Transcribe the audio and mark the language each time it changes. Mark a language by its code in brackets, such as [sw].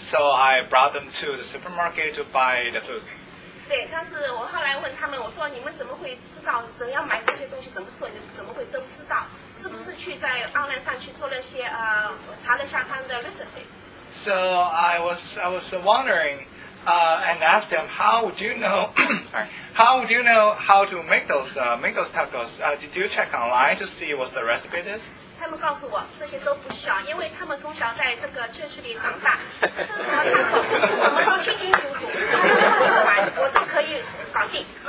[en] So I brought them to the supermarket to buy the food. [zh] 对，但是我后来问他们，我说你们怎么会知道怎样买这些东西，怎么做，你们怎么会都知道？是不是去在 online 上去做了些我查了一下他们的 recipe？ [en] So I was wondering. And ask them, how would you know? Sorry, how would you know how to make those tacos? Did you check online to see what the recipe is? [zh] 他们告诉我这些都不需要，因为他们从小在这个城市里长大，吃什么 taco 我们都清清楚楚，我都可以搞定。